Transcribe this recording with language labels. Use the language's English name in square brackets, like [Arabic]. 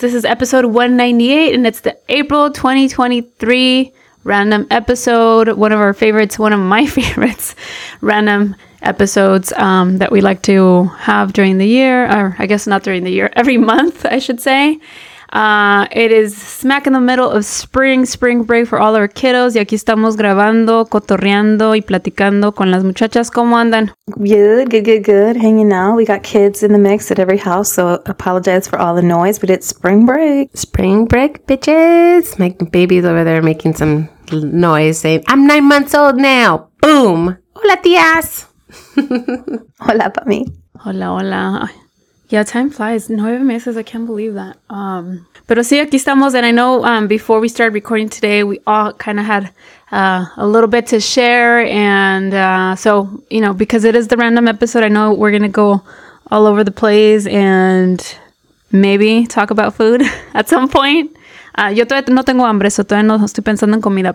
[English] This is episode 198, and it's the April 2023 random episode, one of our favorites, one of my favorites random episodes that we like to have during the year, or I guess not during the year, every month, I should say. It is smack in the middle of spring break for all our kiddos. [Spanish] Y aquí estamos grabando, cotorreando y platicando con las muchachas. ¿Cómo andan? [English] Good. Hanging out. We got kids in the mix at every house, so apologize for all the noise, but it's spring break. Spring break, bitches. My baby's over there making some noise saying, I'm 9 months old now. [Spanish] Boom. Hola, tías. Hola, papi. Hola, hola. [English] Yeah, time flies. [Spanish] 9 meses. [English] I can't believe that. [Spanish] Pero sí, aquí estamos. [English] And I know before we started recording today, we all kind of had a little bit to share. And so, you know, because it is the random episode, I know we're going to go all over the place and maybe talk about food at some point. [Spanish] Yo todavía no tengo hambre, so todavía no estoy pensando en comida.